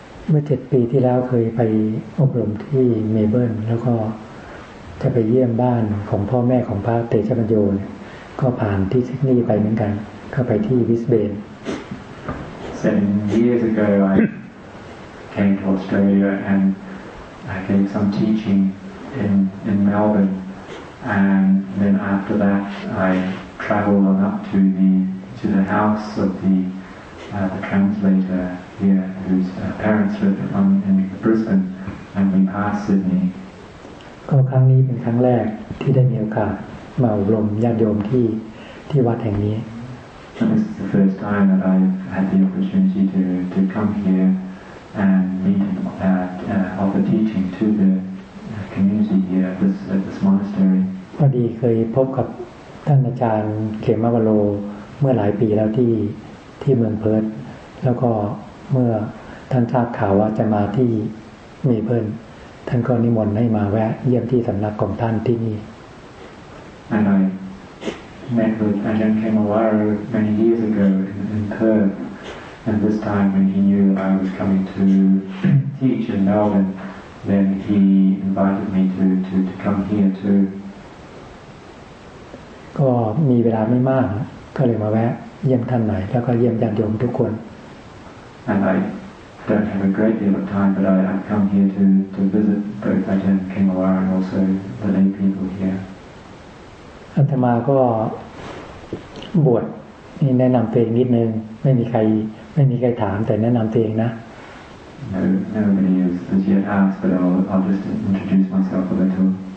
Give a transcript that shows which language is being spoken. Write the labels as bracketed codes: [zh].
[th] เมื่อ7 ปีที่แล้วเคยไปอบรมที่เมเบิลแล้วก็จะไปเยี่ยมบ้านของพ่อแม่ของพระเตชะปัญโญก็ผ่านที่ซิดนีย์ไปเหมือนกันก็ไปที่วิสเบน [en] 7 years ago I came to Australia and I gave some teaching in Melbourne and then after that I traveled on up to the house of the translator here whose parents live in Brisbane and we passed Sydney [th] ก็ครั้งนี้เป็นครั้งแรกที่ได้มีโอกาสมาอบรมญาติโยมที่วัดแห่งนี้ [en] And this is the first time that I've had the opportunity to come here and meet offer teaching to the community here at this monastery. [th] พอดีเคยพบกับท่านอาจารย์เขมวโรเมื่อหลายปีแล้วที่เมืองเพิร์ทแล้วก็เมื่อท่านทราบข่าวว่าจะมาที่เมเบิลท่านก็นิมนต์ให้มาแวะเยี่ยมที่สำนักของท่านที่นี่ [en] And I met with Ajahn Kemawaru many years ago in Perth and this time when he knew that I was coming to teach in Melbourne then he invited me to come here too [th] ก็มีเวลาไม่มากก็เลยมาแวะเยี่ยมท่านหน่อยแล้วก็เยี่ยมญาติโยมทุกคน [en] And I don't have a great deal of time but I've come here to visit both also the lay people here. [th] อาตมาก็บวชนี่แนะนำตัวเองนิดนึงไม่มีใครถามแต่แนะนำตัวเองนะ [en] No, nobody has yet asked, but I'll just introduce myself a little.